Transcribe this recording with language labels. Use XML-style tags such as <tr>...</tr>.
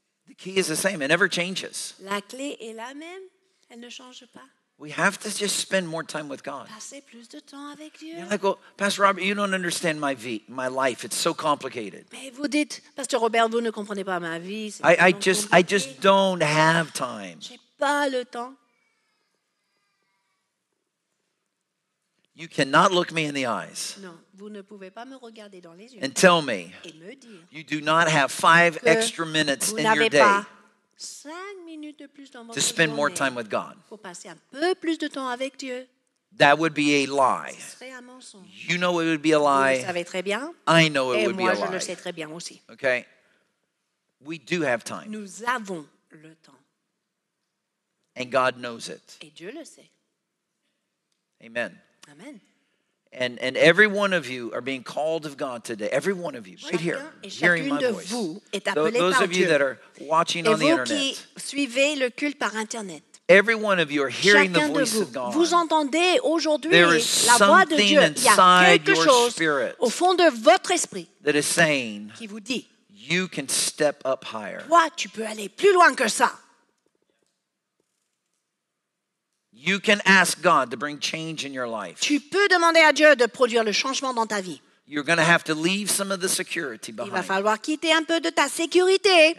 <en>The key is the same. It never changes.</en> <fr>La clé est la même. Elle ne change pas.</fr> <en>We have to just spend more time with God.</en> <fr>Passer plus de temps avec Dieu.</fr> <en>You're like, well, Pastor Robert, you don't understand my life. It's so complicated.</en> <fr>Mais vous dites, Pastor Robert, vous ne comprenez pas ma vie. C'est</fr> <en>I just don't have time.</en> <fr>J'ai pas le temps.</fr> <en>You cannot look me in the eyes.</en> <fr>Non, vous ne pouvez pas me regarder dans les yeux.</fr> <en>And tell me.</en> <fr>Et me dire.</fr> <en>You do not have 5 extra minutes</en> <fr>vous</fr> <en>in</en> <fr>n'avez</fr> <en>your day.</en> <fr>Pas 5 minutes de plus dans votre</fr> <en>to spend more time with God.</en> <fr>Pour passer un peu plus de temps avec Dieu.</fr> <en>That would be a lie.</en> <fr>Ce serait un mensonge.</fr> <en>You know it would be a lie.</en> <fr>Vous le savez très bien.</fr> <en>I know it</en> <fr>et</fr> <en>would</en> <fr>moi,</fr> <en>be a lie.</en> <fr>Et moi, je le sais très bien aussi.</fr> <en>Okay. We do have time.</en> <fr>Nous avons le temps.</fr> <en>And God knows it.</en> <fr>Et Dieu le sait.</fr> <en>Amen.</en> <fr>Amen.</fr> <en>And every one of you are being called of God today. Every one of you, right here, hearing my voice. Those of you that are watching on the internet.</en> <fr>Et vous qui suivez le culte par internet.</fr> <en>Every one of you are hearing the voice of God.</en> <fr>Vous entendez aujourd'hui la voix de Dieu. Il y a quelque chose au fond de votre esprit</fr> <en>that is saying,</en> <fr>qui vous dit,</fr> <en>you can step up higher.</en> <fr>Toi, tu peux aller plus loin que ça.</fr> <en>You can ask God to bring change in your life.</en> <fr>Tu peux demander à Dieu de produire le changement dans ta vie.</fr> <en>You're going to have to leave some of the security behind.</en> <fr>Il va falloir quitter un peu de ta sécurité.</fr>